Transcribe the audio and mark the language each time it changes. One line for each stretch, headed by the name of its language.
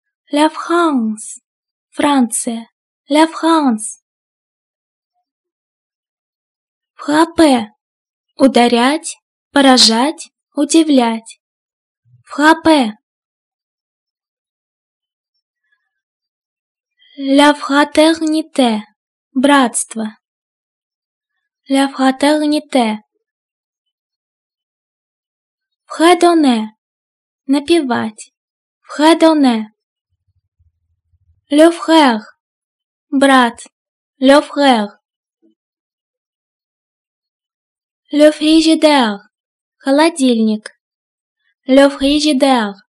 French: La France – Франция. La France.
Russian: Frapper – ударять, поражать, удивлять.
French: Frapper. La fraternité – братство. La fraternité. Fredonner – напевать. Fredonner. Le frère – брат. Le frère. Le frigidaire – холодильник. Le frigidaire.